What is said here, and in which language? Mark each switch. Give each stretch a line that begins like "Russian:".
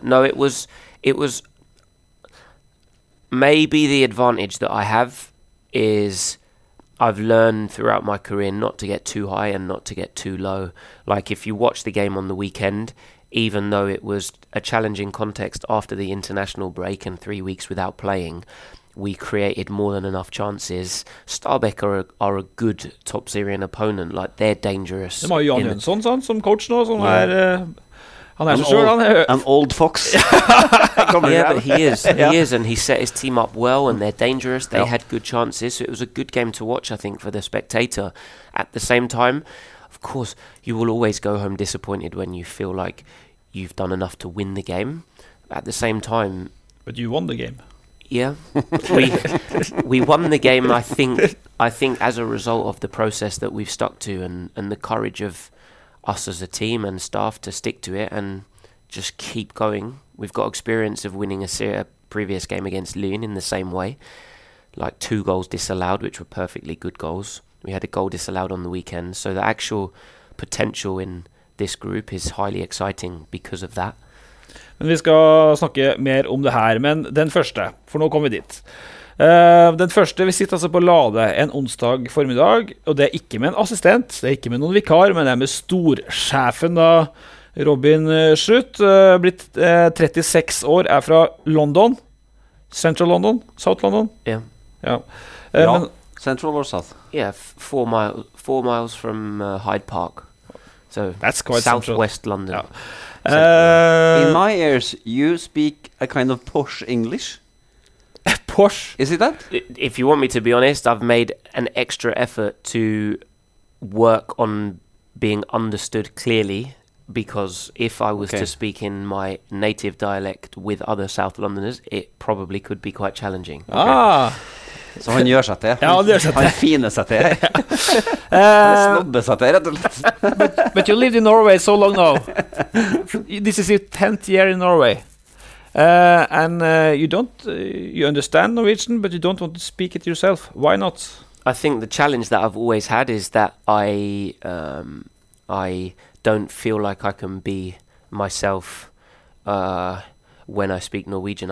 English: No, it was maybe the advantage that I have is I've learned throughout my career not to get too high and not to get too low. Like if you watch the game on the weekend. Even though it was a challenging context after the international break and 3 weeks without playing, we created more than enough chances. Stabæk are a good top Syrian opponent. Like, they're dangerous.
Norwegian: De har Jan Jønsson, som coach nå, som Han er så stor, han er
English: an old fox. Yeah, but he is, and he set his team up well, and they're dangerous. They had good chances, so it was a good game to watch, I think, for the spectator. At the same time, of course, you will always go home disappointed when you feel like you've done enough to win the game. At the same time, but you won the game. Yeah, we won the game. I think as a result of the process that we've stuck to, and the courage of us as a team and staff to stick to it and just keep going. We've got experience of winning a previous game against Lyon in the same way, like two goals disallowed, which were perfectly good goals. We had a goal disallowed on the weekend, so the actual potential in this group is highly exciting because of that.
Norwegian: Men vi skal snakke mer om det her, men den første, for nå kommer vi dit. Den første, vi sitter altså på Lade en onsdag formiddag, og det ikke med en assistent, det ikke med noen vikar, men det med storsjefen da, Robin Schrutt, blitt 36 år, fra London, Central London, South London?
English: Yeah.
Norwegian: Ja. Men,
English: Central or South? Yeah, four miles from Hyde Park. So, that's quite southwest central. London. Yeah. In my ears, you speak a kind of posh English. Posh? Is it that? If you want me to be honest, I've made an extra effort to work on being understood clearly, because if I was to speak in my native dialect with other South Londoners, it probably could be quite challenging. Okay. Ah!
Norwegian: Så han gjør seg til. Ja, han gjør seg til. Han fine seg til. Snobbe seg til, rett og slett.
English: But you lived in Norway so long now. This is your 10th year in Norway. And you don't understand Norwegian, but you don't want to speak it yourself. Why not? I think the challenge that I've always had is that I don't feel like I can be myself when I speak Norwegian.